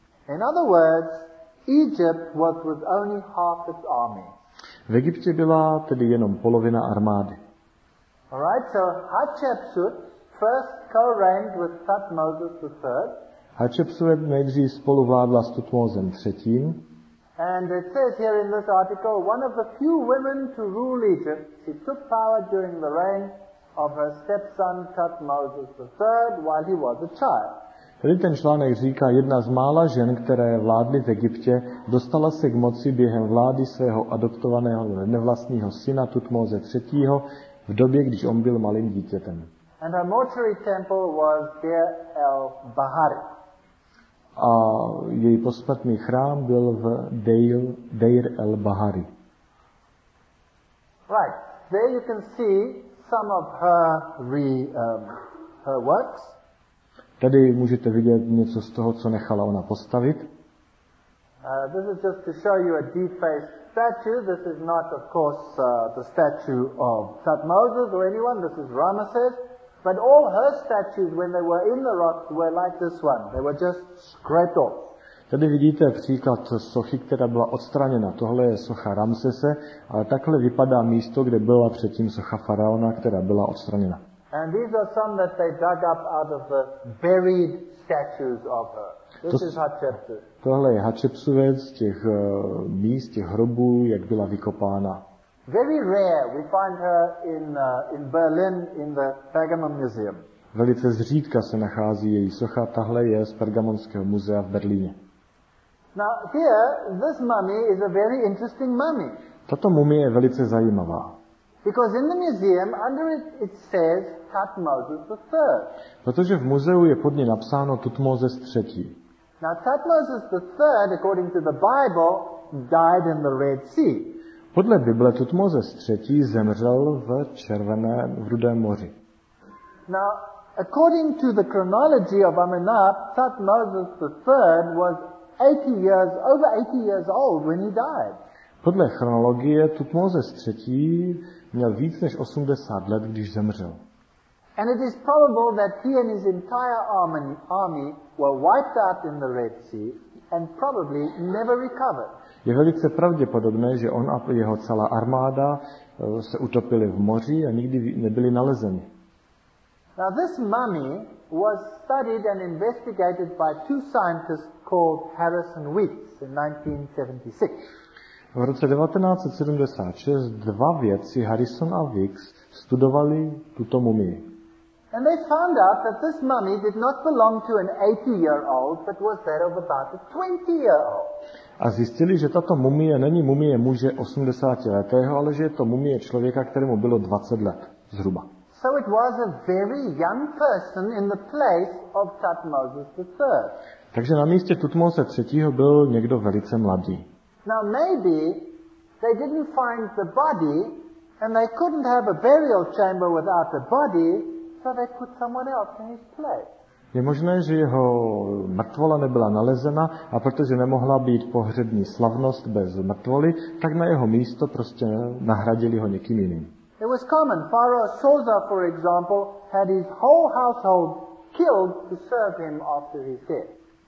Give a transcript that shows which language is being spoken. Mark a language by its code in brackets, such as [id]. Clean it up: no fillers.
[en] In other words, Egypt was with only half its army. [cs] V Egyptě byla tedy jenom polovina armády. [en] All right, so Hatshepsut first co-reigned with Thutmose III. [cs] Hatshepsut nejdřív spolu vládla s Tutmózem III. [en] And it says here in this article, one of the few women to rule Egypt, she took power during the reign of her stepson Thutmose III while he was a child. [cs] Tady ten článek říká, jedna z mála žen, které vládly v Egyptě, dostala se k moci během vlády svého adoptovaného nevlastního syna Tutmose III. V době, když on byl malým dítětem. [en] And her mortuary temple was Deir el-Bahari. [cs] A její posmrtný chrám byl v Deir el-Bahari. [en] Right. There you can see some of her works. [cs] Tady můžete vidět něco z toho, co nechala ona postavit. [en] This is just to show you a defaced statue. This is not, of course, the statue of Thutmose or anyone. This is Ramesses. But all her statues, when they were in the rocks, were like this one. They were just scraped off. [cs] Tady vidíte příklad sochy, která byla odstraněna. Tohle je socha Ramsese, ale takhle vypadá místo, kde byla předtím socha faraona, která byla odstraněna. [en] And these are some that they dug up out of the buried statues of her. This is Hatshepsut. [cs] Tohle je Hatshepsut z těch míst, těch hrobů, jak byla vykopána. [en] Very rare we find her in Berlin in the Pergamon Museum. [cs] Velice zřídka se nachází její socha, tahle je z Pergamonského muzea v Berlíně. [en] Now here this mummy is a very interesting mummy. [cs] Tato mumie je velice zajímavá. [en] Because in the museum under it says Thutmose III. [cs] Protože v muzeu je pod ní napsáno Tutmozes III. [en] Now Thutmose III, according to the Bible, died in the Red Sea. [cs] Podle Bible Tutmozes III zemřel v Červeném v Rudém moři. [en] Now, according to the chronology of Amenhotep, Thutmose III was 80 years, over 80 years old when he died. [cs] Podle chronologie Tutmozes III měl víc než 80 let, když zemřel. [en] And it is probable that he and his entire army were wiped out in the Red Sea and probably never recovered. [cs] Je velice pravděpodobné, že on a jeho celá armáda se utopili v moři a nikdy nebyli nalezeni. [en] Now this mummy was studied and investigated by two scientists called Harrison Weeks in 1976. [cs] V roce 1976 dva vědci, Harrison a Weeks, studovali tuto mumii. [en] And they found out that this mummy did not belong to an 80-year-old, but was that of about a 20-year-old. [cs] A zjistili, že tato mumie není mumie muže 80-letého, ale že je to mumie člověka, kterému bylo 20 let zhruba. [en] So it was a very young person in the place of Thutmose III. [cs] Takže na místě Tutmose III. Byl někdo velice mladý. [en] Now maybe they didn't find the body and they couldn't have a burial chamber without the body. So they put someone else in his place. [cs] Je možné, že jeho mrtvola nebyla nalezena a protože nemohla být pohřební slavnost bez mrtvoly, tak na jeho místo prostě nahradili ho někým jiným. [en] It was common. Pharaoh Sosa, for example, had his whole household killed to serve him after his death.